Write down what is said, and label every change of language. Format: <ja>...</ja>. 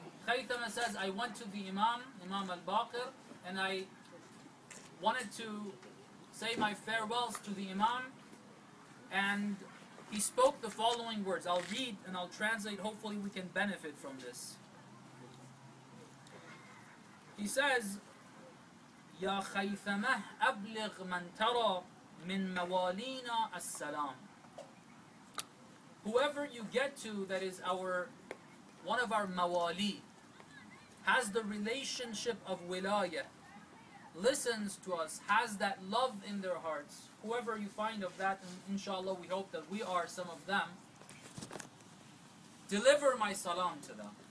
<en>Khaythama says, I went to the Imam, Imam al-Baqir, and I wanted to say my farewells to the Imam, and he spoke the following words. I'll read and I'll translate. Hopefully we can benefit from this. He says,</en> <ar>يا خيثمه أبلغ من ترى من موالينا السلام.</ar> <en>Whoever you get to, that is our, one of our mawali, has the relationship of wilaya, listens to us, has that love in their hearts. Whoever you find of that, and inshallah we hope that we are some of them, deliver my salam to them.</en>